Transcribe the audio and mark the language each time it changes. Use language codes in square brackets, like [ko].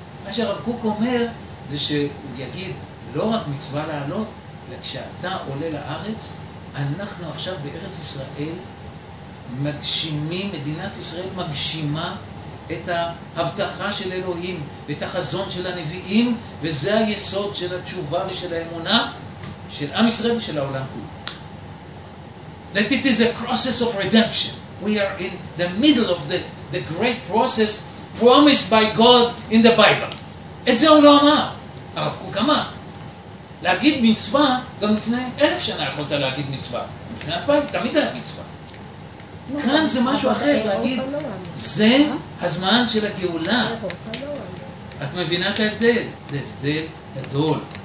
[he] מה שהרב קוק אומר זה שהוא יגיד לא רק מצווה לעלות, אלא כשאתה עולה לארץ, אנחנו עכשיו בארץ ישראל מגשימים, מדינת ישראל מגשימה את ההבטחה של אלוהים ואת החזון של הנביאים, וזה היסוד של התשובה ושל האמונה של עם ישראל ושל העולם כולו. [en] That it is a process of redemption. We are in the middle of the great process promised by God in the Bible. [he] את זה הוא לא אמר. הרב קוק אמר. להגיד מצווה, גם לפני 1,000 שנה יכולת להגיד מצווה. מבחינת פעם, תמיד היה מצווה. כאן זה משהו אחר, להגיד, זה הזמן של הגאולה. את מבינה את ההבדל? זה הבדל גדול.